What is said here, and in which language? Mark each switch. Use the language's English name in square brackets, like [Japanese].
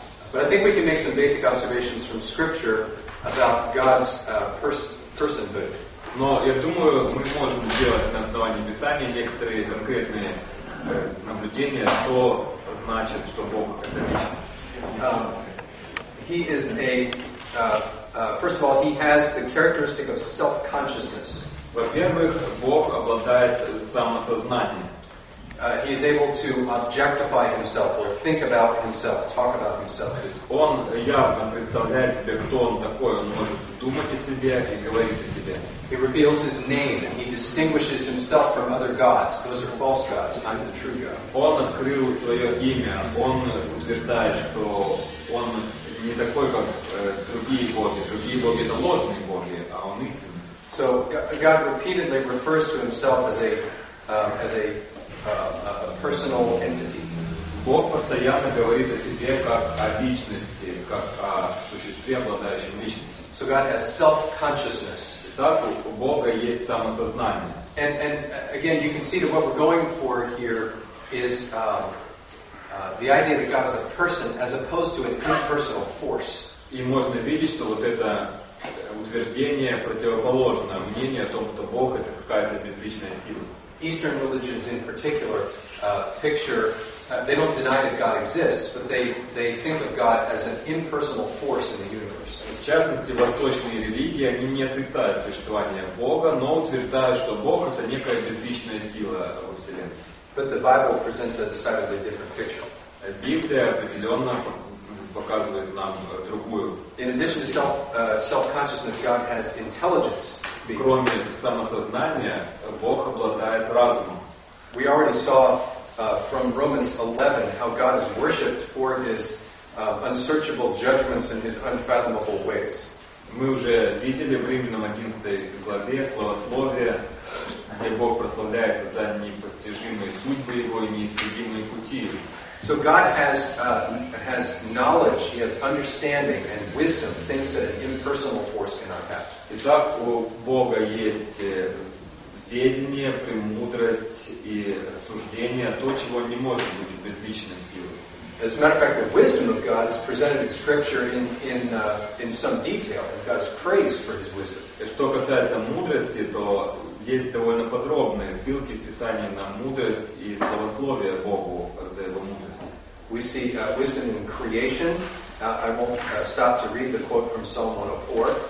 [English] But I think we can make some basic observations from Scripture about God's personhood. [Russian] Но я думаю, мы можем сделать на основании Писания некоторые конкретные наблюдение, что значит, что Бог это личность. [English] He is a first of all, he has the characteristic of self-consciousness. [Russian] Во-первых, Бог обладает самосознанием. [English] He is able to objectify himself or think about himself, talk about himself. [Russian] Он явно представляет себе, кто он такой, он может думать о себе и говорить о себе. [English] He reveals his name and he distinguishes himself from other gods. Those are false gods. I'm the true God. [Russian] Он открыл свое имя. Он утверждает, что он не такой, как другие боги. Другие боги — это ложные боги, а он истинный. [English] So God repeatedly refers to himself as a personal entity. [Russian] Бог постоянно говорит о себе как о личности, как о существе, обладающем личностью. [English] So God has self-consciousness. [Russian] Так, у Бога есть самосознание. [English] And again, you can see that what we're going for here is the idea that God is a person as opposed to an impersonal force. [Russian] И можно видеть, что вот это утверждение противоположно мнению о том, что Бог — это какая-то безличная сила. [English] Eastern religions in particular picture, they don't deny that God exists, but they think of God as an impersonal force in the universe. [Russian] В частности, восточные религии, они не отрицают существование Бога, но утверждают, что Бог — это некая безличная сила во Вселенной. [English] But the Bible presents a decidedly different picture. [Russian] Библия определенно показывает нам другую. [English] In addition to self-consciousness, God has intelligence. [Russian] Кроме самосознания, Бог обладает разумом. [English] We already saw from Romans 11 how God is worshipped for his unsearchable judgments and his unfathomable ways. [Russian] Мы уже видели в Римлянам 11 главе словословие, где Бог прославляется за непостижимые судьбы его и неисследимые пути. [English] So God has knowledge, he has understanding and wisdom, things that an impersonal force cannot have. [Russian] Итак, у Бога есть ведение, премудрость и суждение, то, чего не может быть у безличной силы. [English] As a matter of fact, the wisdom of God is presented in Scripture in some detail, and God is praised for His wisdom. [Russian] Что касается мудрости, то есть довольно подробные ссылки в Писании на мудрость и словословие Богу за Его мудрость. [English] We see wisdom in creation. I won't stop to read the quote from Psalm 104.